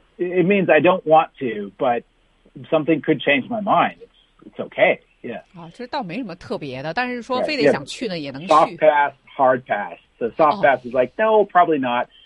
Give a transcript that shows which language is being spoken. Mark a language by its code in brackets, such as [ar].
[en] ？It means I don't want to, but something could change my mind. It's okay. Yeah. [zh] 啊，其实倒没什么特别的，但是说非得想去呢， [en] right. yeah. [zh] 也能去。 [en] Soft pass, hard pass. So soft pass is like no, probably not.